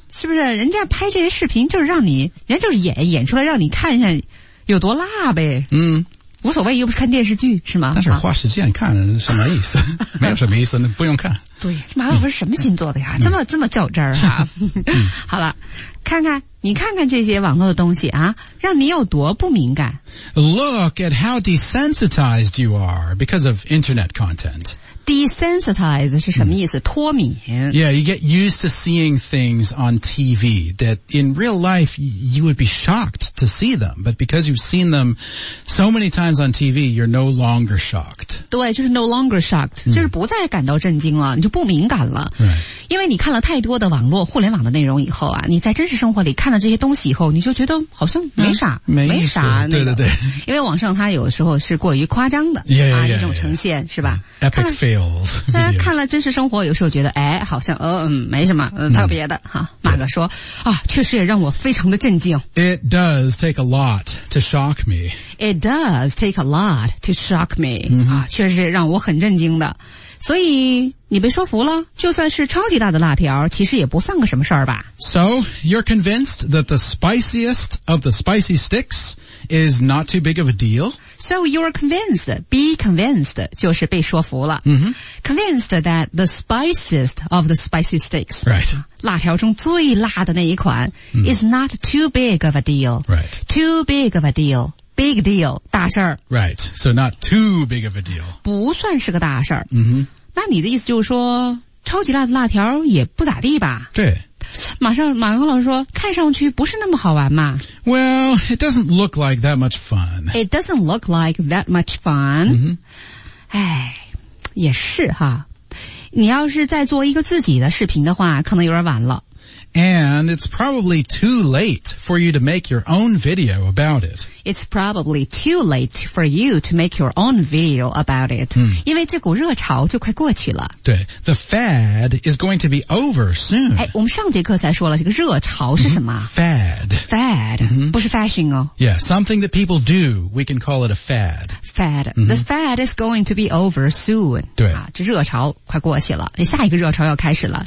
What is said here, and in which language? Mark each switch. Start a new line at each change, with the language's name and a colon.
Chinese: 是不是人家拍这些视频就是让你人家就是演出来让你看一下有多辣呗。嗯。无所谓又不是看电视剧是吗但是花时间看什么意思没有什么意思不用看。对马老师什么星座的呀、这么较真儿啊。好了你看看这些网络的东西啊让你有多不敏感。
English: Look at how desensitized you are because of internet content.
Chinese: Desensitize 是什么意思、脱敏
English: Yeah, you get used to seeing things on TV that in real life you would be shocked to see them. But because you've seen them so many times on TV, you're no longer shocked.
Chinese: 对就是
English: no longer shocked,、
Chinese: 就是不再感到震惊了你就不敏感了。
English: Right.
Chinese: 因为你看了太多的网络互联网的内容以后啊你在真实生活里看了这些东西以后你就觉得好像没啥、没啥、对对对。因为网上它有时候是过于夸张的
English: yeah,
Chinese: 这种呈现
English: yeah.
Chinese: 是吧
English: Epic fail.
Chinese: 大家看了真实生活有时候觉得哎好像没什么特别的哈。马哥说啊确实也让我非常的震惊。
English: It does take a lot to shock me. It does take a lot to shock me.、 Mm-hmm.
Chinese: 啊确实让我很震惊的。所以你被说服了就算是超级大的辣条其实也不算个什么事儿吧。
English: So, you're convinced that the spiciest of the spicy sticks is not too big of a deal? So, you're convinced, be convinced,
Chinese: 就是被说服了。 Mm-hmm.
English: Convinced that the spiciest of the spicy sticks, right.
Chinese: 辣条中最辣的那一款、
English: is not too big of a deal. Right. Too big of a deal. Big deal,
Chinese: 大事儿。
English: Right, so not too big of a deal.
Chinese: 不算是个大事儿。 Mm-hmm. 那你的意思就是说超级辣的辣条也不咋地吧。对。马克老师说看上去不是那么好玩嘛。
English: Well, it doesn't look like that much fun. It doesn't look like that much fun. 哎、 mm-hmm.
Chinese: 也是哈。你要是再做一个自己的视频的话可能有点晚了。
English: And it's probably too late for you to make your own video about it. It's probably too late for you to make your own video about it.、
Chinese: 因为这股热潮就快过去了。
English: 对 ,the fad is going to be over soon.
Chinese: 哎我们上节课才说了这个热潮是什么、
English: Fad.
Chinese: Fad,、不是 fashion 哦。
English: Yeah, something that people do, we can call it a fad. Fad,、the fad is going to be over soon.
Chinese: 对。啊这热潮快过去了下一个热潮要开始了。